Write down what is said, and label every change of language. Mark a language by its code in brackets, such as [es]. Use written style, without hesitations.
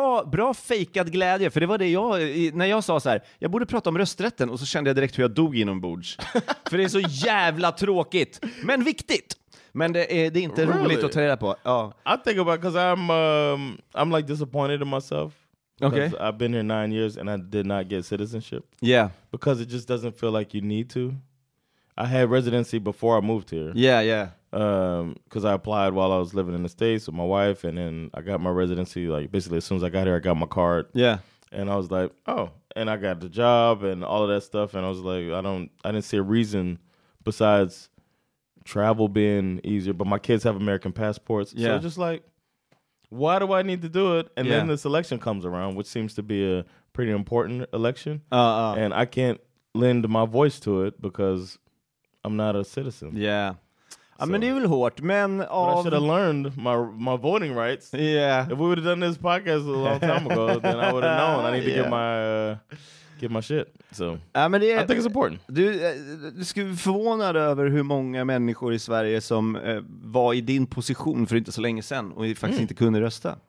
[sv] Bra fejkad glädje, för det var det jag, när jag sa så här, jag borde prata om rösträtten, och så kände jag direkt hur jag dog inombords. För det är så jävla tråkigt, men viktigt. Men det är inte [en] really? [sv] Roligt att ta reda på. [en] I think about it, because I'm like disappointed in myself. Okay. I've been here 9 years and I did not get citizenship. Yeah. Because it just doesn't feel like you need to. I had residency before I moved here. Yeah, yeah. Because I applied while I was living in the States with my wife, and then I got my residency. Like, basically, as soon as I got here, I got my card. Yeah. And I was like, oh, and I got the job and all of that stuff. And I was like, I didn't see a reason besides travel being easier. But my kids have American passports. Yeah. So it's just like, why do I need to do it? And then this election comes around, which seems to be a pretty important election. And I can't lend my voice to it because I'm not a citizen. Yeah. So, I mean, [sv] det är väl hårt, men av... [en] I should have learned my voting rights. Yeah. If we would have done this podcast a long time ago, then I would have known. I need to get my shit. So, [sv] det är, [en] I think it's important. [sv] Du ska bli förvånad över hur många människor i Sverige som var i din position för inte så länge sedan och faktiskt inte kunde rösta.